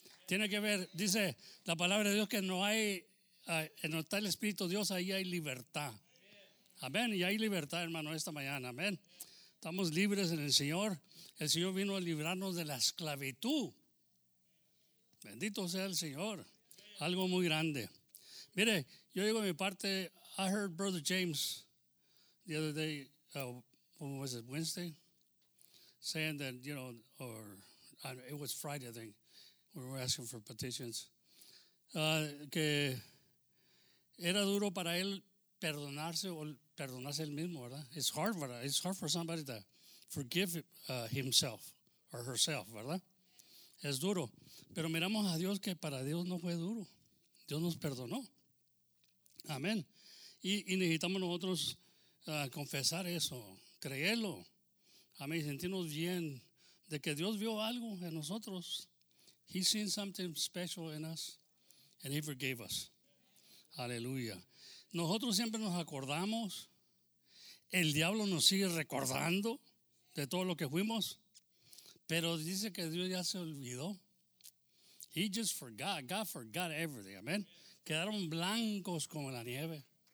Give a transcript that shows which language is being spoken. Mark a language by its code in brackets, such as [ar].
[es] Tiene que ver, dice la palabra de Dios, que no hay, en donde está el Espíritu de Dios, ahí hay libertad. Amén. Y hay libertad, hermano, esta mañana. Amén. Estamos libres en el Señor. El Señor vino a librarnos de la esclavitud. Bendito sea el Señor. Algo muy grande. Mire, yo digo de mi parte, [en] I heard Brother James the other day, what was it, Wednesday? Saying that, you know, or it was Friday, I think. We were asking for petitions. [es] Que era duro para él perdonarse o perdonarse él mismo, ¿verdad? [en] It's hard, [es] ¿verdad? [en] It's hard for somebody to forgive himself or herself, ¿verdad? [es] Es duro. Pero miramos a Dios que para Dios no fue duro. Dios nos perdonó. Amén. Y necesitamos nosotros confesar eso, creerlo. Amén. Sentirnos bien de que Dios vio algo en nosotros. [en] He seen something special in us and he forgave us. [es] Aleluya. Nosotros siempre nos acordamos, el diablo nos sigue recordando de todo lo que fuimos, pero dice que Dios ya se olvidó. [en] He just forgot, God forgot everything, amen. [es] Quedaron blancos como la nieve.